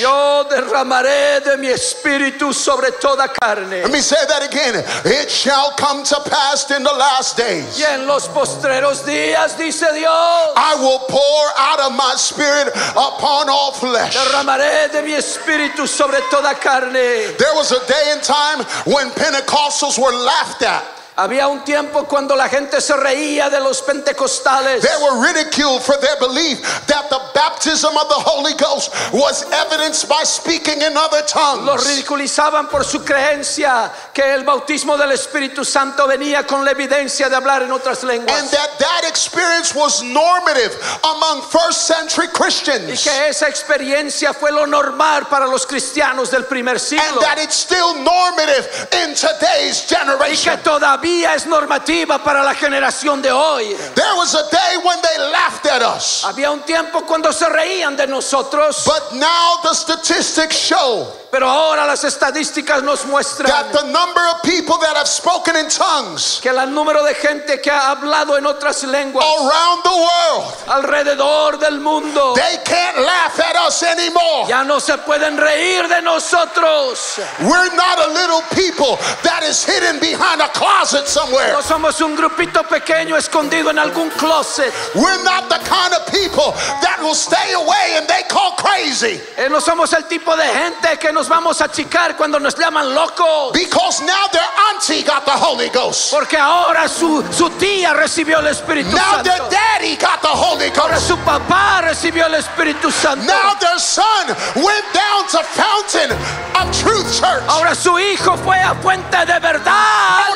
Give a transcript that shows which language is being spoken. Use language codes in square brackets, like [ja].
[es] Yo derramaré de mi espíritu sobre toda carne. [en] Let me say that again. It shall come to pass in the last days. [es] Y en los postreros días, dice Dios, [en] I will pour out of my spirit upon all flesh. [es] Derramaré de mi espíritu sobre toda carne. [en] There was a day and time when Pentecostals were laughed at. [es] Había un tiempo cuando la gente se reía de los pentecostales. [en] They were ridiculed for their belief that the baptism of the Holy Ghost was evidenced by speaking in other tongues. [es] Los ridiculizaban por su creencia que el bautismo del Espíritu Santo venía con la evidencia de hablar en otras lenguas. [en] And that experience was normative among first century Christians. [es] Y que esa experiencia fue lo normal para los cristianos del primer siglo. [en] And that it's still normative in today's generation. [es] Y que todavía es normativa para la generación de hoy. [en] There was a day when they laughed at us. [es] Había un tiempo cuando se reían de nosotros. [en] But now the statistics show. [es] Pero ahora las estadísticas nos muestran [en] that the number of people that have spoken in tongues, [es] que el número de gente que ha hablado en otras lenguas, [en] around the world, [es] alrededor del mundo, [en] they can't laugh at us anymore. [es] Ya no se pueden reír de nosotros. [en] We're not a little people that is hidden behind a closet somewhere. [es] No somos un grupito pequeño escondido en algún closet. [en] We're not the kind of people that will stay away and they call crazy. [es] No somos el tipo de gente que nos vamos a achicar cuando nos llaman locos. [en] Because now their auntie got the Holy Ghost. [es] Porque ahora su tía recibió el Espíritu [en] now [es] Santo. [en] Now their daddy got the Holy Ghost. [es] Ahora su papá recibió el Espíritu Santo. [en] Now their son went down to Fountain of Truth Church. [es] Ahora su hijo fue a Fuente de Verdad.